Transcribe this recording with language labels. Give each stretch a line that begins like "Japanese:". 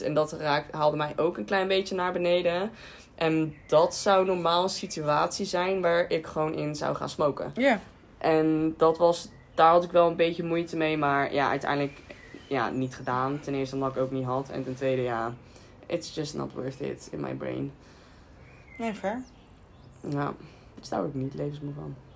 Dutch: En dat haalde mij ook een klein beetje naar beneden. En dat zou normaal een situatie zijn waar ik gewoon in zou gaan smoken. Ja. Yeah. En dat was... Daar had ik wel een beetje moeite mee. Maar ja, uiteindelijk ja, niet gedaan. Ten eerste omdat ik ook niet had. En ten tweede, ja...
English: It's just not worth it in my brain.
Dutch: Nee, fair. Ja, daar hou ik niet levensmoe van.